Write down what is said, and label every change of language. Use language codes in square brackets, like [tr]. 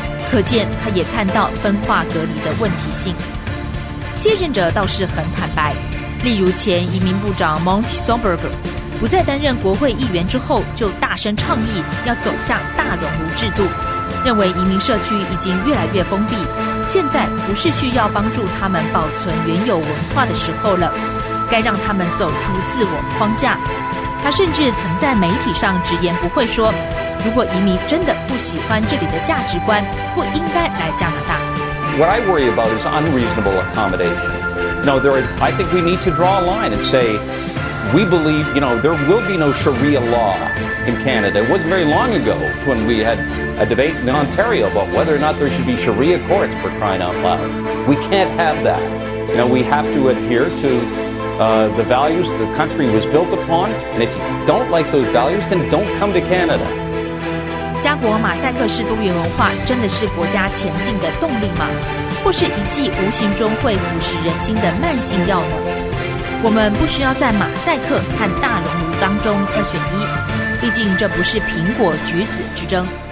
[zh] 可见他也看到分化隔离的问题性。卸任者倒是很坦白，例如前移民部长 Monty Somburg 不再担任国会议员之后，就大声倡议要走向大熔炉制度，认为移民社区已经越来越封闭，现在不是需要帮助他们保存原有文化的时候了，该让他们走出自我框架。他甚至曾在媒体上直言不讳说，如果移民真的不喜欢这里的价值观，不应该来加拿大。 [en] What I worry about is unreasonable accommodation. No, there is, I think we need to draw a line and say, we believe, you know, there will be no Sharia law in Canada. It wasn't very long ago when we had a debate in Ontario about whether or not there should be Sharia courts, for crying out loud. We can't have that. You know, we have to adhere to the values the country was built upon. And if you don't like those values, then don't come to Canada. [zh] 加国马赛克式多元文化真的是国家前进的动力吗？或是一剂无形中会腐蚀人心的慢性药呢？我们不需要在马赛克和大熔炉当中二选一，毕竟这不是苹果橘子之争。